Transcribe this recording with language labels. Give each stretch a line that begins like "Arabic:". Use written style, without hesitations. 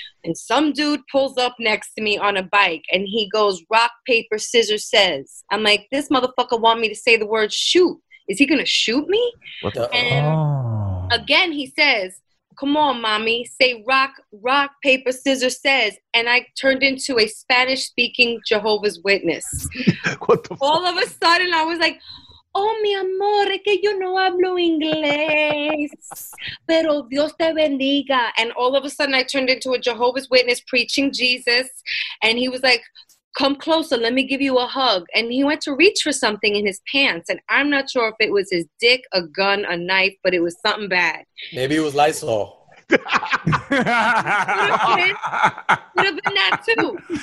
English: And some dude pulls up next to me on a bike and he goes, rock, paper, scissors, says. I'm like, this motherfucker want me to say the word shoot. Is he going to shoot me? Again, he says, come on, mommy, say rock, paper, scissors, says. And I turned into a Spanish-speaking Jehovah's Witness. All of a sudden, I was like,
Spanish: oh, mi amor, es que yo no hablo inglés, pero Dios te bendiga.
English: And all of a sudden, I turned into a Jehovah's Witness preaching Jesus. And he was like, come closer, let me give you a hug. And he went to reach for something in his pants. And I'm not sure if it was his dick, a gun, a knife, but it was something bad. Maybe it was Lysol. Could have been that too.